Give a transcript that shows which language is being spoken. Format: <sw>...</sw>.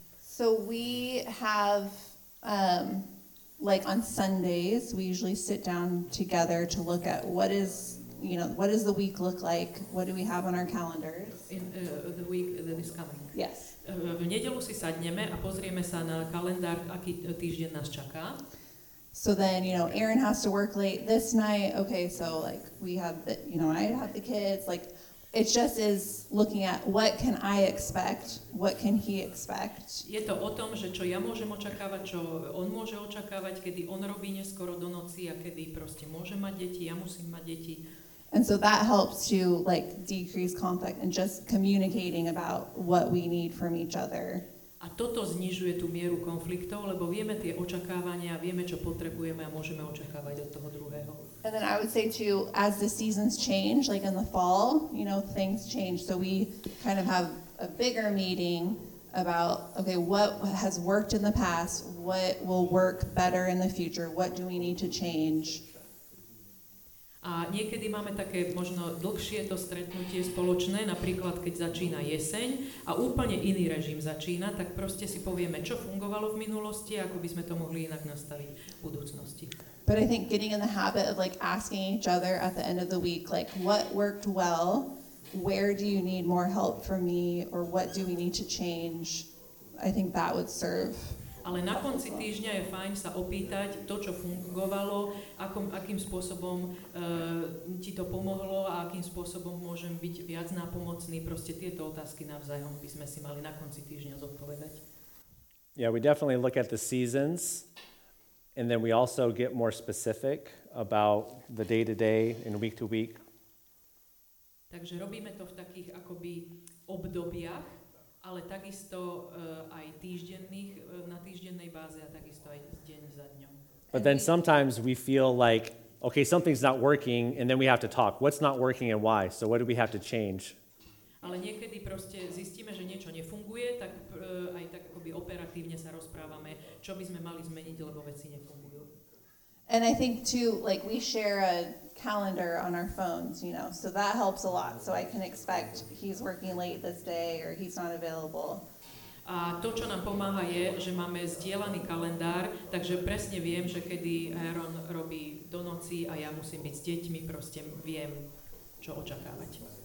<en>So we have, like on Sundays, we usually sit down together to look at what is, you know, what does the week look like? What do we have on our calendars? In the week that is coming. Yes.</en> <sk>V nedeľu si sadneme a pozrieme sa na kalendár, aký týždeň nás čaká.</sk> <en>So then, you know, Aaron has to work late this night. Okay, so like we have the, you know, I have the kids. Like it just is looking at what can I expect? What can he expect?</en> <sk>Je to o tom, že čo ja môžem očakávať, čo on môže očakávať, kedy on robí neskoro do noci a kedy proste môže mať deti, ja musím mať deti.</sk> <en>And so that helps to like decrease conflict and just communicating about what we need from each other.</en> <sk>A toto znižuje tú mieru konfliktov, lebo vieme tie očakávania, vieme, čo potrebujeme a môžeme očakávať od toho druhého.</sk> <en>And then I would say too, as the seasons change, like in the fall, you know, things change. So we kind of have a bigger meeting about, okay, what has worked in the past, what will work better in the future, what do we need to change?</en> <sk>A niekedy máme také možno dlhšie to stretnutie spoločné, napríklad keď začína jeseň a úplne iný režim začína, tak proste si povieme, čo fungovalo v minulosti, ako by sme to mohli inak nastaviť v budúcnosti.</sk> <en>But I think getting in the habit of like asking each other at the end of the week, like what worked well, where do you need more help from me, or what do we need to change, I think that would serve.</en> <sk>Ale na konci týždňa je fajn sa opýtať to, čo fungovalo, akým spôsobom ti to pomohlo a akým spôsobom môžem byť viac nápomocný. Proste tieto otázky navzájom by sme si mali na konci týždňa zodpovedať.</sk> <en>Yeah, we definitely look at the seasons and then we also get more specific about the day-to-day and week-to-week.</en> <sk>Takže robíme to v takých akoby obdobiach, ale takisto aj týždenných na týždennej báze a takisto aj deň za dňom.</sk> <en>But then sometimes we feel like okay, something's not working and then we have to talk. What's not working and why? So what do we have to change?</en> <sk>Ale niekedy proste zistíme, že niečo nefunguje, tak aj tak akoby operatívne sa rozprávame, čo by sme mali zmeniť, lebo veci nefungujú.</sk> <en>And I think too, like we share a calendar on our phones, you know, so that helps a lot. So I can expect he's working late this day or he's not available.</en> <sk>A to, čo nám pomáha, je, že máme zdieľaný kalendár, takže presne viem, že kedy Aaron robí do noci a ja musím byť s deťmi, proste viem, čo očakávať.</sk>